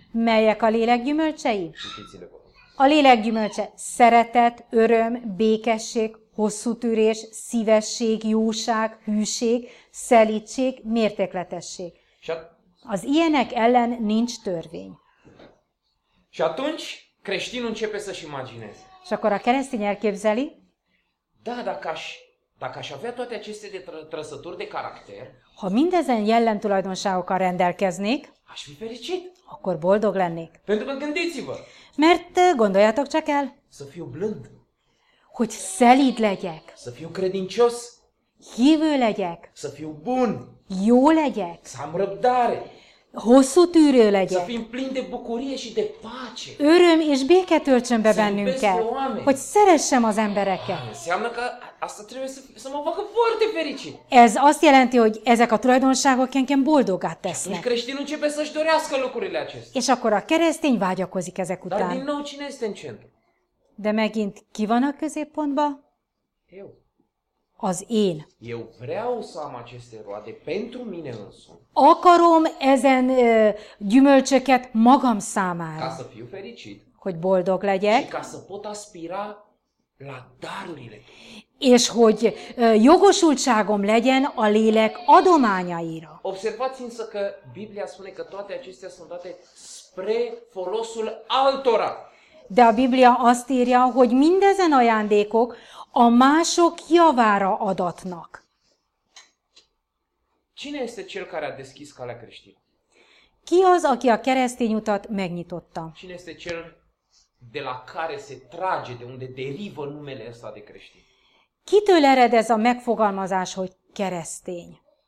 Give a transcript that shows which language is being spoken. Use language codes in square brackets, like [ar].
[hu] Melyek a lélek gyümölcsei? A lélek gyümölcse szeretet, öröm, békesség, hosszú tűrés, szívesség, jóság, hűség, szelídség, mértékletesség. Az ilyenek ellen nincs törvény. És [ro] atunci creștinul începe să-și imagineze. Și [hu] akkor a keresztény elképzeli. [ro] Da, dacă aș avea toate aceste trăsături de caracter, [hu] ha mindezen jellemtulajdonságokkal rendelkeznék, [ro] aș fi fericit. [hu] Akkor boldog lennék. [ro] Pentru că gândiți-vă. [hu] Mert gondoljátok csak el. [ro] Să fiu blând. [hu] Hogy szelíd legyek. [ro] Să fiu credincios. [hu] Hívő legyek. [ro] Să fiu bun. [hu] Jó legyek. [ro] Să am răbdare. [hu] Hosszú tűrő legyek. [ro] Să fim plin de bucurie și de pace. [hu] Öröm és béke töltsön be bennünket. Hogy szeressem az embereket. [ro] Înseamnă că asta trebuie să mă facă foarte fericit. [hu] Ez azt jelenti, hogy ezek a tulajdonságok engem boldoggá tesznek. És [ro] creștinul începe să-și dorească lucrurile acestea. [hu] És akkor a keresztény vágyakozik ezek után. [ro] Dar din nou cine este în centru? [hu] De megint ki van a középpontba? [ro] Eu. [hu] Az én. [ro] Eu vreau să am aceste roade pentru mine însumi. [hu] Akarom ezen gyümölcsöket magam számára. [ro] Ca să fiu fericit. [hu] Hogy boldog legyek. [ro] Și ca să pot aspira la darurile. [hu] És hogy jogosultságom legyen a lélek adományaira. [ro] Observați însă că Biblia spune că toate acestea sunt date spre folosul altora. [hu] De a Biblia azt írja, hogy mindezen ajándékok a mások javára adatnak. [ro] Cine este cel care a deschis calea creștină? [hu] Ki az, aki a keresztény utat megnyitotta? [ro] Cine este cel de la care se trage, de unde derivă numele ăsta de creștin? [hu] Kitől ered ez a megfogalmazás, hogy keresztény?